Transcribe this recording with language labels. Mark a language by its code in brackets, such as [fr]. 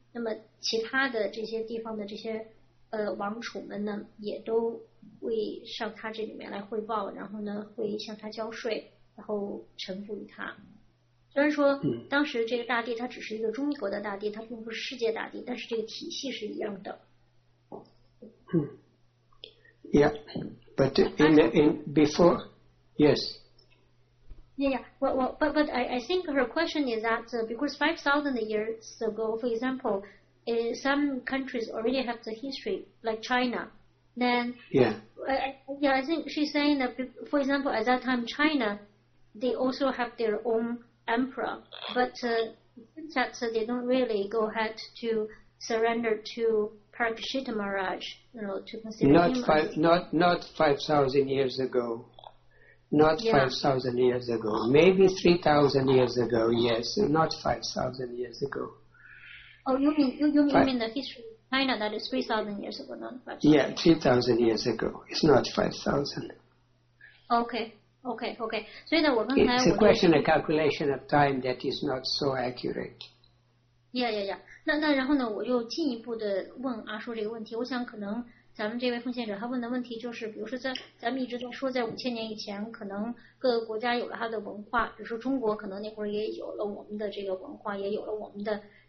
[zh] 那即便是在中国以前历史上也是如此，这个中国大帝哈，他会，比如说他的这个皇都，不论是在北京还是在南京还是在西安某个地方，那么其他的这些地方的这些。王储们呢，也都会上他这里面来汇报，然后呢，会向他交税，然后臣服于他。虽然说当时这个大帝他只是一个中国的大帝，他并不是世界大帝，但是这个体系是一样的。 [en] Yeah, but in before, yes. Yeah, but I think her question is that because 5,000 years ago, for example. Some countries already have the history, like China. Then, I think she's saying that, for example, at that time, China, they also have their own emperor, but they don't really go ahead to surrender to Parikshita Maharaj, you know, to consider not 5,000 years ago. Not 5,000 years ago. Maybe 3,000 years ago, yes. Not 5,000 years ago. Oh, you mean the history of China that is 3,000 years ago, not 5,000? Yeah, 3,000 years ago. It's not 5,000. [zh] Okay. 所以呢，我刚才 [en] it's a question of calculation of time that is not so accurate. Yeah. [zh] 那然后呢，我又进一步的问阿叔这个问题。我想可能咱们这位奉献者他问的问题就是，比如说在咱们一直在说在 5,000年以前， 可能各个国家有了他的文化，比如说中国可能那会儿也有了我们的这个文化，也有了我们的。